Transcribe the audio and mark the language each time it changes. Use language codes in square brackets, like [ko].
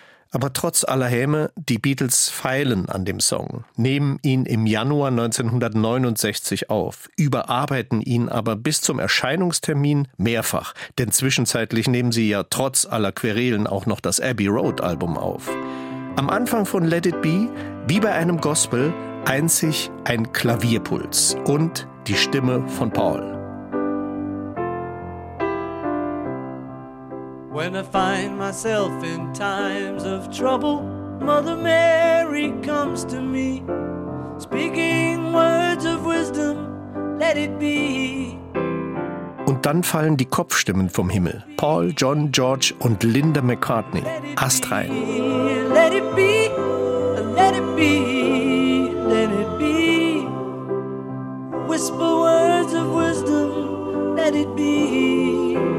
[de] Aber trotz aller Häme, die Beatles feilen an dem Song, nehmen ihn im Januar 1969 auf, überarbeiten ihn aber bis zum Erscheinungstermin mehrfach. Denn zwischenzeitlich nehmen sie ja trotz aller Querelen auch noch das Abbey Road-Album auf. Am Anfang von Let It Be, wie bei einem Gospel, einzig ein Klavierpuls und die Stimme von Paul. [en] When I find myself in times of trouble, Mother Mary comes to me, speaking words of wisdom, let it be. [de] Und dann fallen die Kopfstimmen vom Himmel. Paul, John, George und Linda McCartney. Astrein. [en] Let it be, let it be, let it be. Whisper words of wisdom, let it be.